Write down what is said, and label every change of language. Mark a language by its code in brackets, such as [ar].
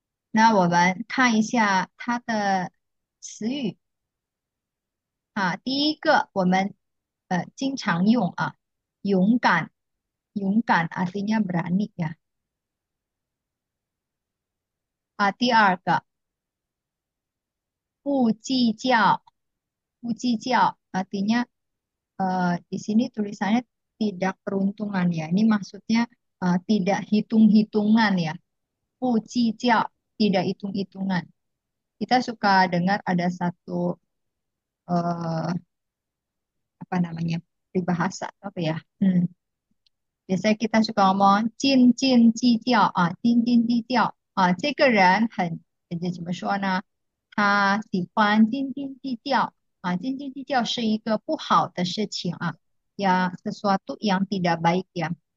[zh] 那我们看一下它的词语啊，第一个我们经常用啊，勇敢，勇敢， [id] artinya berani [zh] 呀。啊，第二个不计较，不计较， [id] artinya di sini tulisannya tidak peruntungan ya, ini maksudnya tidak hitung-hitungan ya, [zh] 不计较。 [id] Tidak hitung-hitungan. Kita suka dengar ada satu apa namanya peribahasa apa ya? Biasanya kita suka ngomong "jin jin ji jiao" ah, "jin jin ji jiao" ah, [zh] "这个人很怎么说呢？他喜欢斤斤计较啊，斤斤计较是一个不好的事情啊， [id] ya sesuatu yang tidak baik ya.